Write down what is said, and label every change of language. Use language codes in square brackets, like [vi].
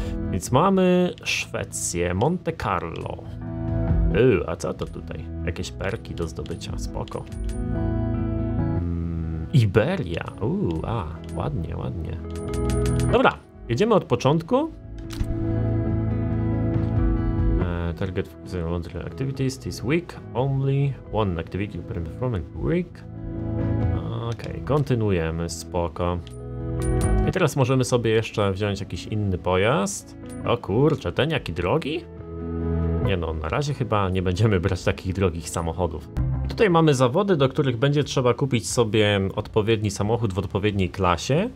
[pl] Więc mamy Szwecję, Monte Carlo. A co to tutaj? Jakieś perki do zdobycia, spoko. Iberia, ładnie, ładnie. Dobra, jedziemy od początku. [en] Target for the activities this week. Only one activity performed a week. [pl] Okej, kontynuujemy, spoko. I teraz możemy sobie jeszcze wziąć jakiś inny pojazd. O kurczę, ten jaki drogi? Nie no, na razie chyba nie będziemy brać takich drogich samochodów. Tutaj mamy zawody, do których będzie trzeba kupić sobie odpowiedni samochód w odpowiedniej klasie.